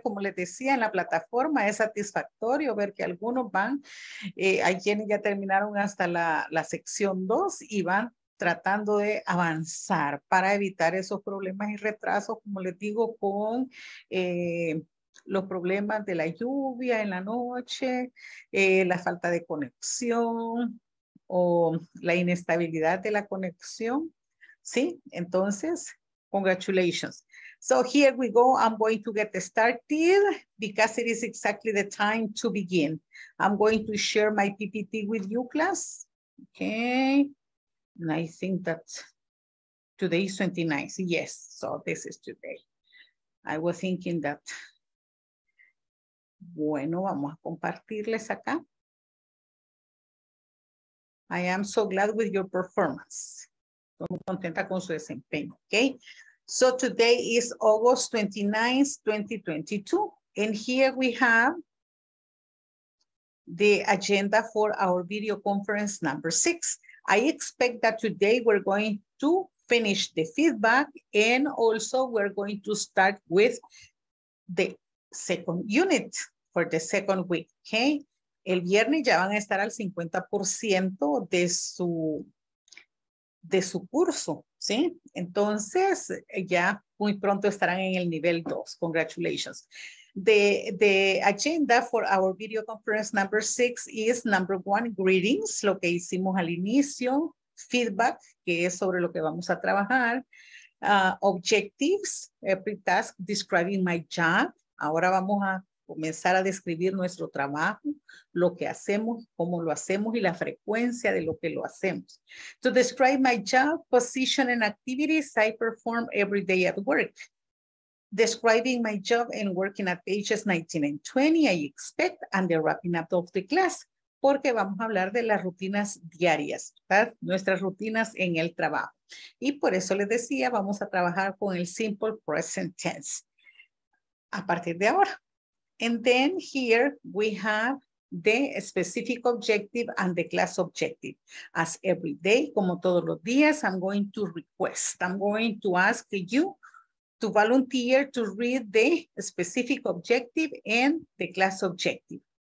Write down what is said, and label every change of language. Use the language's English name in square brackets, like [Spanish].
[Spanish] Como les decía, en la plataforma es satisfactorio ver que algunos van, hay quienes ya terminaron hasta la sección 2 y van tratando de avanzar para evitar esos problemas y retrasos, como les digo, con los problemas de la lluvia en la noche, la falta de conexión o la inestabilidad de la conexión, ¿sí? [English] Entonces, congratulations. So here we go. I'm going to get started because it is exactly the time to begin. I'm going to share my PPT with you, class. Okay. And I think that today is 29th. Yes. So this is today. I was thinking that. [Spanish] Bueno, vamos a compartirles acá. [English] I am so glad with your performance. [Spanish] Estoy contenta con su desempeño. [English] Okay. So today is August 29th, 2022. And here we have the agenda for our video conference number 6. I expect that today we're going to finish the feedback and also we're going to start with the second unit for the second week, okay? [Spanish] El viernes ya van a estar al 50% de su curso, ¿sí? Entonces, ya muy pronto estarán en el nivel 2. [English] Congratulations. The agenda for our video conference number 6 is number 1, greetings, [Spanish] lo que hicimos al inicio, [English] feedback, [Spanish] que es sobre lo que vamos a trabajar, [English] objectives, every task, describing my job. [Spanish] Ahora vamos a comenzar a describir nuestro trabajo, lo que hacemos, cómo lo hacemos y la frecuencia de lo que lo hacemos. [English] To describe my job, position and activities I perform every day at work. Describing my job and working at pages 19 and 20, I expect, and the wrapping up of the class. [Spanish] porque vamos a hablar de las rutinas diarias, ¿verdad? Nuestras rutinas en el trabajo. Y por eso les decía, vamos a trabajar con el simple present tense a partir de ahora. [English] And then here we have the specific objective and the class objective. As every day, [Spanish] como todos los días, [English] I'm going to request. I'm going to ask you to volunteer to read the specific objective and the class objective.